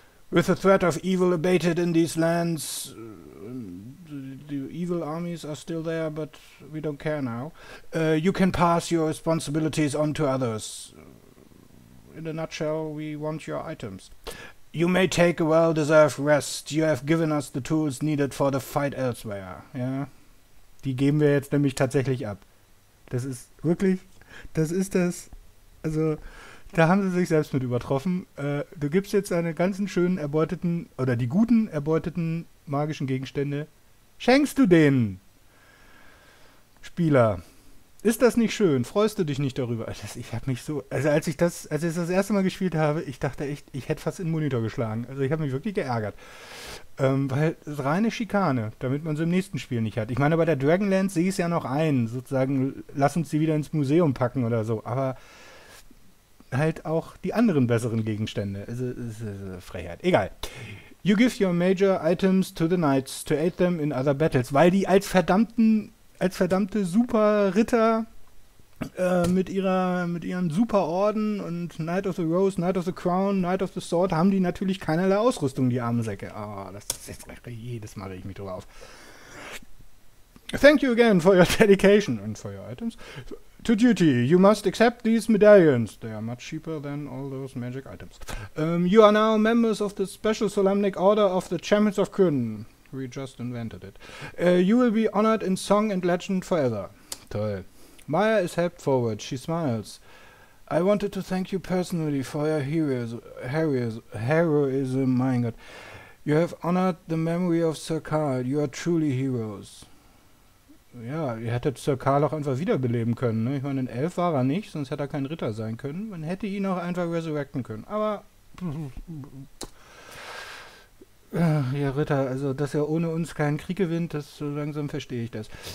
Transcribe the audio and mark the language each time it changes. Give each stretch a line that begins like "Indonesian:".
English: With the threat of evil abated in these lands, the evil armies are still there, but we don't care now. You can pass your responsibilities on to others. In a nutshell, we want your items. You may take a well-deserved rest. You have given us the tools needed for the fight elsewhere.
German: Ja, die geben wir jetzt nämlich tatsächlich ab. Das ist wirklich, das ist das. Also, da haben sie sich selbst mit übertroffen. Du gibst jetzt deine ganzen schönen erbeuteten, oder die guten erbeuteten magischen Gegenstände, schenkst du denen, Spieler. Ist das nicht schön? Freust du dich nicht darüber? Ich habe mich so. Also als ich das erste Mal gespielt habe, ich dachte echt, ich hätte fast in den Monitor geschlagen. Also ich habe mich wirklich geärgert. Weil es reine Schikane, damit man sie im nächsten Spiel nicht hat. Ich meine, bei der Dragonlance sehe ich es ja noch ein. Sozusagen, lass uns sie wieder ins Museum packen oder so. Aber halt auch die anderen besseren Gegenstände. Also, es ist Frechheit. Egal.
English: You give your major items to the knights to aid them in other battles,
German: weil die als verdammte Superritter mit ihrem Superorden und Knight of the Rose, Knight of the Crown, Knight of the Sword haben die natürlich keinerlei Ausrüstung, die armen Säcke. Ah, oh, das ist jetzt jedes Mal reg ich mich drüber auf.
English: Thank you again for your dedication and for your items. To duty, you must accept these medallions. They are much cheaper than all those magic items. You are now members of the Special Solemnic Order of the Champions of Kryn. We just invented it. You will be honored in song and legend forever.
German: Toll.
English: Maya is helped forward. She smiles. I wanted to thank you personally for your heroism.
German: Mein Gott.
English: You have honored the memory of Sir Karl. You are truly heroes.
German: Ja, ihr hättet Sir Karl auch einfach wiederbeleben können. Ne? Ich meine, ein Elf war er nicht, sonst hätte er kein Ritter sein können. Man hätte ihn auch einfach resurrecten können. Aber, ja, Ritter, also, dass er ohne uns keinen Krieg gewinnt, das so langsam verstehe ich das.